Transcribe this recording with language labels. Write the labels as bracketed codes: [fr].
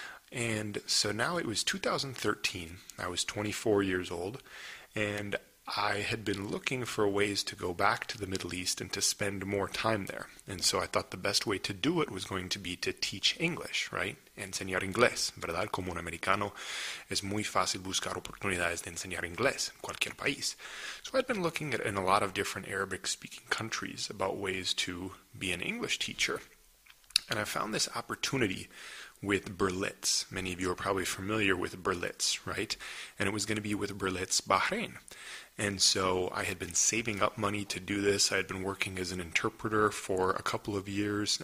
[en] And so now it was 2013, I was 24 years old, and I had been looking for ways to go back to the Middle East and to spend more time there. And so I thought the best way to do it was going to be to teach English, right? [es] Enseñar inglés, ¿verdad? Como un americano, es muy fácil buscar oportunidades de enseñar inglés en cualquier país. [en] So I'd been looking at in a lot of different Arabic-speaking countries about ways to be an English teacher. And I found this opportunity with Berlitz. Many of you are probably familiar with Berlitz, right? And it was going to be with Berlitz Bahrain. And so I had been saving up money to do this. I had been working as an interpreter for a couple of years.